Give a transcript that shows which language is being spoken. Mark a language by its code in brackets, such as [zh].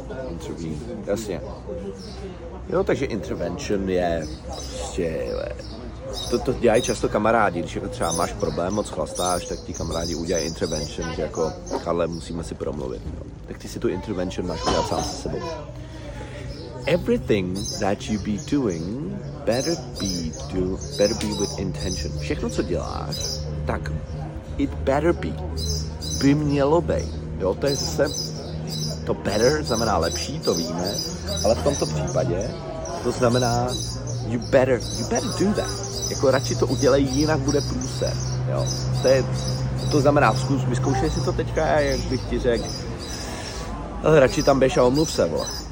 [cs] Intervene, jasně. Jo, takže intervention je prostě, to dělají často kamarádi, když jako třeba máš problém, moc chlastáš, tak ti kamarádi udělají intervention, že jako, Karle, musíme si promluvit, jo. Tak ty si tu intervention máš udělat sám se sebou. [en] Everything that you be doing better be with intention. [cs] Všechno, co děláš, tak [en] it better be. [cs] By mělo být. Jo, to je zase, to better znamená lepší, to víme, ale v tomto případě to znamená [en] you better do that. [cs] Jako radši to udělej, jinak bude průser. Jo, to znamená, vyzkoušej si to teďka, jak bych ti řekl, ale radši tam běž a omluv se, vole.